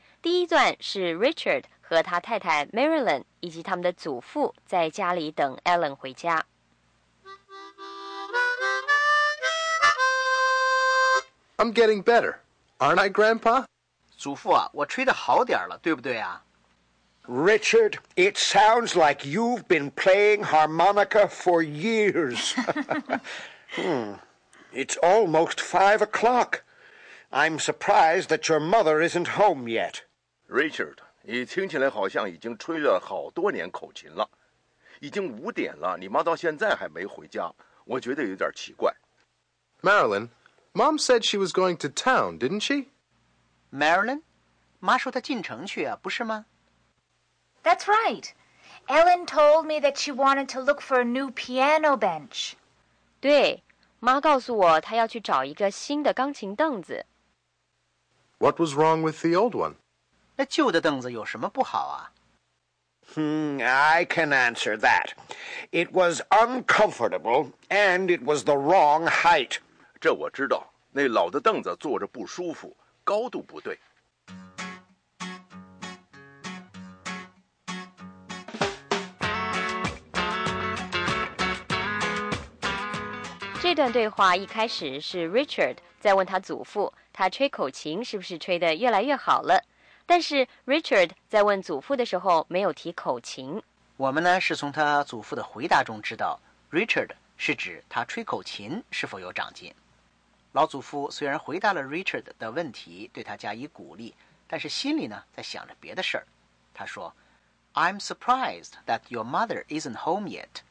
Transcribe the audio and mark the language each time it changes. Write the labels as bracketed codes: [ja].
[zh] 第一段是 Richard 和他太太 Marilyn 以及他们的祖父在家里等 Ellen 回家。 [en] I'm getting better, aren't I, Grandpa? [zh] 祖父啊，我吹得好点了，对不对啊？ [en] Richard, it sounds like you've been playing harmonica for years. It's almost 5 o'clock. I'm surprised that your mother isn't home yet. [zh] Richard, 你听起来好像已经吹了好多年口琴了。已经五点了，你妈到现在还没回家，我觉得有点奇怪。 [en] Marilyn,Mom said she was going to town, didn't she? Marilyn? [zh] 妈说她进城去啊，不是吗？ [en] That's right. Ellen told me that she wanted to look for a new piano bench. [zh] 对，妈告诉我她要去找一个新的钢琴凳子。 [en] What was wrong with the old one? [zh] 那旧的凳子有什么不好啊？ [en] I can answer that. It was uncomfortable, and it was the wrong height. [zh] 这我知道，那老的凳子坐着不舒服，高度不对。这段对话一开始是 Richard 在问他祖父，他吹口琴是不是吹得越来越好了？但是 Richard 在问祖父的时候没有提口琴。我们呢是从他祖父的回答中知道 ，Richard 是指他吹口琴是否有长进。老祖父虽然回答了 Richard 的问题，对他加以鼓励，但是心里呢在想着别的事儿。他说 [en] ：“I'm surprised that your mother isn't home yet.”